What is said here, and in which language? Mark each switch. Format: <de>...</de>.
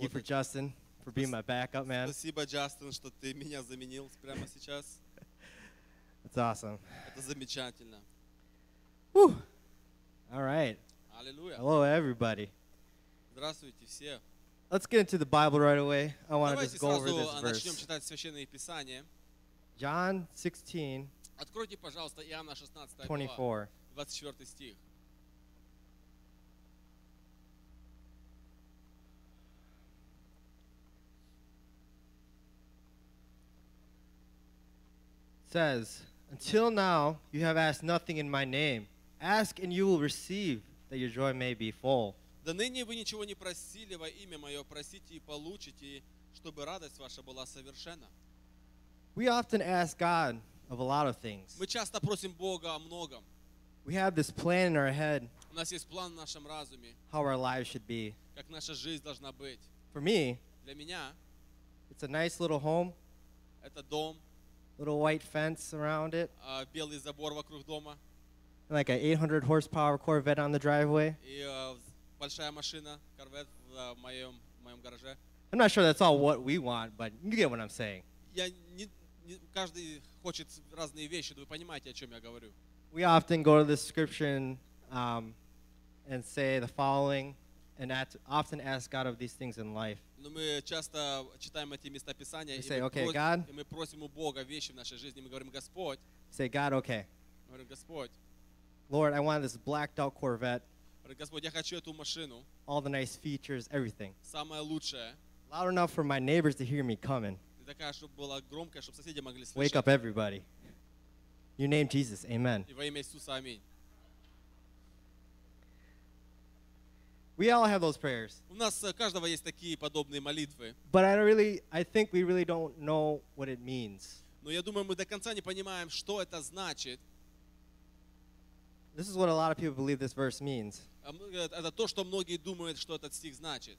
<en>Thank you for Justin for being my backup man.</en> <ru>Спасибо, Джастин, что ты меня заменил прямо сейчас.</ru> <en>That's awesome.</en> <ru>Это замечательно.</ru> <en>Woo! All right. Hallelujah. Hello, everybody.</en> <ru>Здравствуйте все.</ru> <en>Let's get into the Bible right away. I want</en> <ru>Давайте</ru> <en>to just go over this verse.</en> <ru>Начнем читать Священное Писание.</ru> <en>John 16.</en> <ru>Откройте, пожалуйста, Иоанна 16.</ru> <en>24.</en> <ru>24 стих.</ru> <en>Says, until now you have asked nothing in my name. Ask and you will receive, that your joy may be full.</en> <ru>До ныне вы ничего не просили во имя мое, просите и получите, чтобы радость ваша была совершенна.</ru> <en>We often ask God of a lot of things.</en> <ru>Мы часто просим Бога о многом.</ru> <en>We have this plan in our head.</en> <ru>У нас есть план в нашем разуме.</ru> <en>How our lives should be.</en> <ru>Как наша жизнь должна быть.</ru> <en>For me,</en> <ru>для меня,</ru> <en>it's a nice little home.</en> <ru>Это дом.</ru> <en>Little white fence around it.</en> <ru>Белый забор вокруг дома.</ru> <en>Like an 800 horsepower Corvette on the driveway.</en> <ru>И большая машина Corvette в моем гараже.</ru> <en>I'm not sure that's all what we want, but you get what I'm saying.</en> <ru>Я не каждый хочет разные вещи, но вы понимаете, о чем я говорю.</ru> <en>We often go to the scripture and say the following, and often ask God of these things in life.</en> <ru>Но мы часто читаем эти места Писания.</ru> <en>We say, okay, God.</en> <ru>И мы просим у Бога вещи в нашей жизни. Мы говорим, Господь.</ru> <en>Say, God, okay.</en> <ru>Мы говорим, Господь.</ru> <en>Lord, I want this blacked out Corvette.</en> <ru>Господь, я хочу эту машину.</ru> <en>All the nice features, everything.</en> <ru>Самое лучшее.</ru> <en>Loud enough for my neighbors to hear me coming.</en> <ru>Такая, чтобы было громко, чтобы соседи могли слышать.</ru> <en>Wake up everybody. In your name Jesus. Amen.</en> <ru>И во имя Иисуса, аминь.</ru> <en>We all have those prayers.</en> <ru>У нас каждого есть такие подобные молитвы.</ru> <en>But I think we really don't know what it means.</en> <ru>Но я думаю, мы до конца не понимаем, что это значит.</ru> <en>This is what a lot of people believe this verse means.</en> <ru>Это то, что многие думают, что этот стих значит.</ru>